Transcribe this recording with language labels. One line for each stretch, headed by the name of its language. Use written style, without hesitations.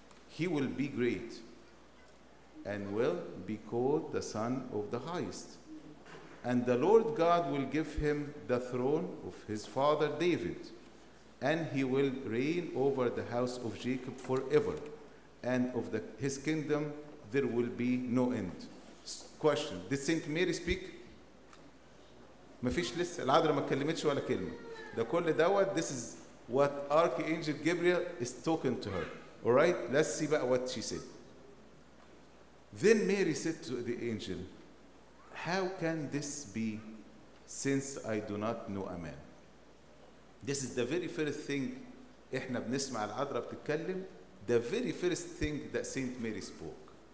English: He will be great, and will be called the Son of the Highest. And the Lord God will give him the throne of his father David, and he will reign over the house of Jacob forever, and of his kingdom there will be no end." Question. Did Saint Mary speak?
Arabic: مفيش لسه العذراء ما اتكلمتش ولا كلمه ده كل دوت.
English: This is what Archangel Gabriel is talking to her. All right, let's see about what she said. Then Mary said to the angel, "How can this be, since I do not know a man?" This is the very first thing
Arabic: احنا بنسمع العذراء بتتكلم,
English: the very first thing that Saint Mary spoke.